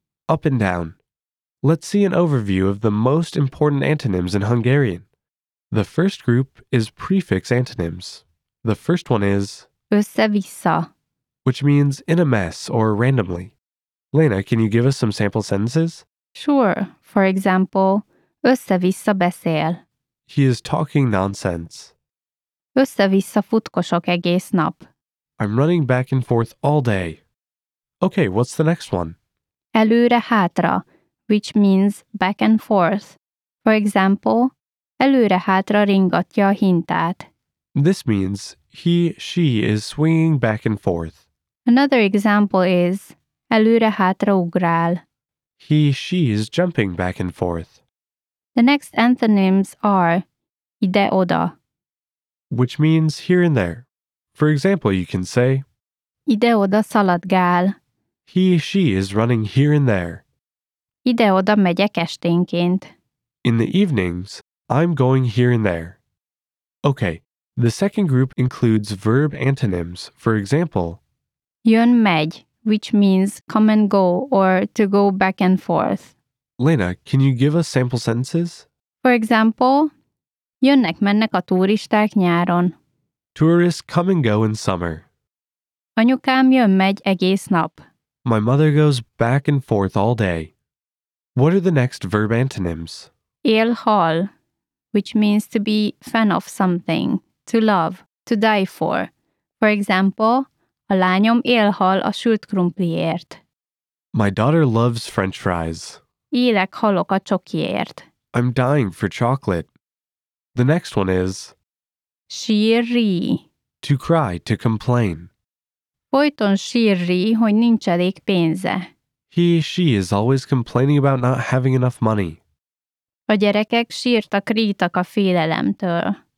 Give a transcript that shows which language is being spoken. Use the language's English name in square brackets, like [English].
[English] up and down. Let's see an overview of the most important antonyms in Hungarian. The first group is prefix antonyms. The first one is [Hungarian] össze-vissza, [English] which means in a mess or randomly. Lena, can you give us some sample sentences? Sure. For example, [Hungarian] össze-vissza beszél, [English] he is talking nonsense. [Hungarian] Össze-vissza futkosok egész nap, [English] I'm running back and forth all day. Okay, what's the next one? Előre-hátra, which means back and forth. For example, [Hungarian] előre-hátra ringatja a hintát. [English] This means she is swinging back and forth. Another example is [Hungarian] előre-hátra ugrál, [English] she is jumping back and forth. The next antonyms are ide-oda, which means here and there. For example, you can say [Hungarian] ide-oda szaladgál, [English] she is running here and there. [Hungarian] Ide-oda megyek esténként, [English] in the evenings, I'm going here and there. Okay, the second group includes verb antonyms. For example, jön megy, which means come and go or to go back and forth. Lena, can you give us sample sentences? For example, [Hungarian] jönnek mennek a turisták nyáron, [English] tourists come and go in summer. [Hungarian] Anyukám jön megy egész nap, [English] my mother goes back and forth all day. What are the next verb antonyms? Él hal, which means to be fan of something, to love. to die for. For example, [Hungarian] a lányom élhal a sült krumpliért. [English] My daughter loves French fries. [Hungarian] Élek halok a csokiért. [English] I'm dying for chocolate. The next one is... [Hungarian] Sírri. [English] To cry, to complain. [Hungarian] Folyton sírri, hogy nincs elég pénze. [English] He, she is always complaining about not having enough money. [Hungarian] A gyerekek sírtak, rítak a félelemtől.